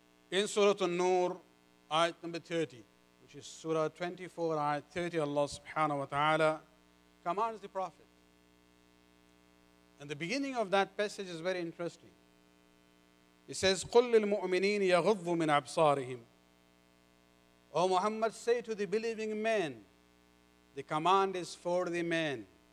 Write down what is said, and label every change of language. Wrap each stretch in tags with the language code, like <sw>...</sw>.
<en>In Surah An-Nur, ayat number 30, which is Surah 24, ayat 30, Allah subhanahu wa ta'ala commands the Prophet. And the beginning of that passage is very interesting. It says,</en> <ar>قُلْ لِلْمُؤْمِنِينَ يَغُضُّ مِنْ أَبْصَارِهِمْ.</ar> <en>O Muhammad, say to the believing men, the command is for the men,</en>